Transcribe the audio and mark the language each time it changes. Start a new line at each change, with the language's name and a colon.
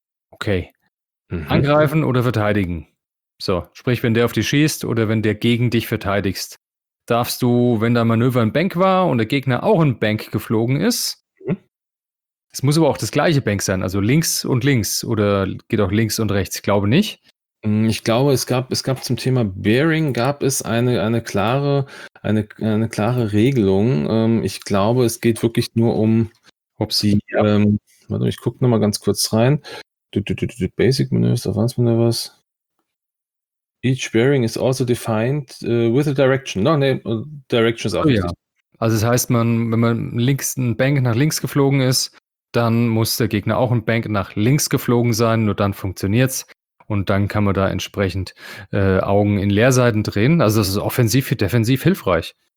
German: Okay. Mhm. Angreifen oder verteidigen. So, sprich, wenn der auf dich schießt oder wenn der gegen dich verteidigst, darfst du, wenn dein Manöver ein Bank war und der Gegner auch ein Bank geflogen ist, es muss aber auch das gleiche Bank sein, also links und links oder geht auch links und rechts, ich glaube nicht. Ich glaube, es gab zum Thema Bearing gab es eine klare Regelung. Ich glaube, es geht wirklich nur um, ob sie, ja. Warte, ich gucke nochmal ganz kurz rein.
English: Basic Manövers, Advanced Manövers. Each Bearing is also defined with a Direction. Direction
German: ist auch richtig. Ja. Also das heißt, wenn man links ein Bank nach links geflogen ist, dann muss der Gegner auch ein Bank nach links geflogen sein, nur dann funktioniert's. Und dann kann man da entsprechend Augen in Leerseiten drehen. Also das ist offensiv für defensiv hilfreich.